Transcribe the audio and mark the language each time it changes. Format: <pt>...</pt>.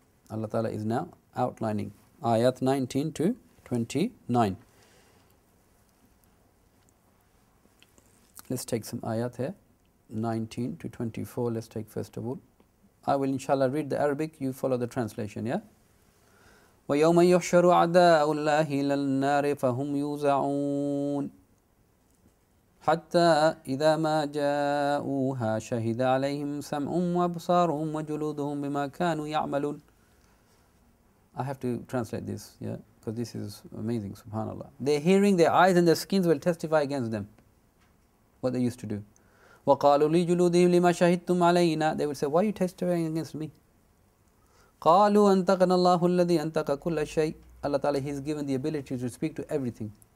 <en>Allah Ta'ala is now outlining Ayat 19 to 29. Let's take some Ayat here. 19 to 24, let's take first of all. I will inshallah read the Arabic, you follow the translation, yeah?</en> <ar>وَيَوْمَ يُحْشَرُ عَدَاءُ اللَّهِ إِلَى النَّارِ فَهُمْ يُوزَعُونَ حَتَّى إِذَا مَا جَاءُوهَا شَهِدَ عَلَيْهِمْ سَمْعُهُمْ وَأَبْصَارُهُمْ وَجُلُودُهُمْ بِمَا كَانُوا يَعْمَلُونَ.</ar> <en>I have to translate this, yeah? Because this is amazing, subhanAllah. Their hearing, their eyes and their skins will testify against them, what they used to do.</en> <ar>وَقَالُوا لِجُلُودِهِمْ لِمَا شَهِدْتُمْ عَلَيْنَا.</ar> <en>They would say, why are you testifying against me?</en> <ar>قَالُوا أَنْتَقَنَ اللَّهُ الَّذِي أَنْتَقَ كُلَّ شَيْءٍ.</ar> <en>Allah Ta'ala, He's given the ability to speak to everything.</en>